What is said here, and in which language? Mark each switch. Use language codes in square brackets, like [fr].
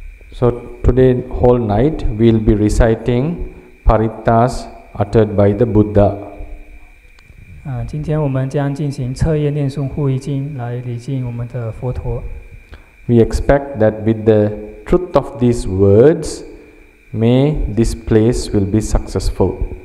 [en] So today whole night we'll be reciting parittas uttered by the Buddha. [zh] 今天我们将进行彻夜念诵护卫经来礼敬我们的佛陀。 [en] We expect that with the truth of these words, may this place will be successful.